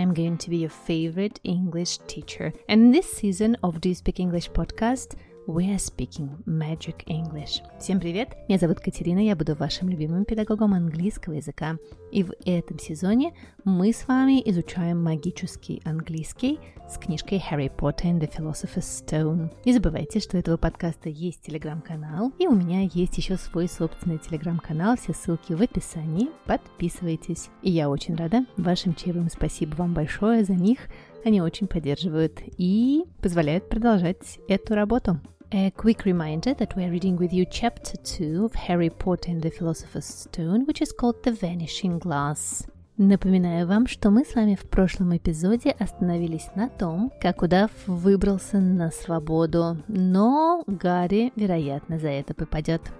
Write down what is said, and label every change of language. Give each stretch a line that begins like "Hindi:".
English: I'm going to be your favorite English teacher. And this season of Do You Speak English podcast, we're speaking magic English.
Russian: Всем привет! Меня зовут Катерина, я буду вашим любимым педагогом английского языка. И в этом сезоне мы с вами изучаем магический английский с книжкой Harry Potter and the Philosopher's Stone. Не забывайте, что у этого подкаста есть телеграм-канал, и у меня есть еще свой собственный телеграм-канал, все ссылки в описании, подписывайтесь. И я очень рада вашим чаевым, спасибо вам большое за них, они очень поддерживают и позволяют продолжать эту работу.
English: A quick reminder that we are reading with you chapter 2 of Harry Potter and the Philosopher's Stone, which is called The Vanishing Glass.
Russian: Напоминаю вам, что мы с вами в прошлом эпизоде остановились на том, как удав выбрался на свободу, но Гарри, вероятно, за это попадет.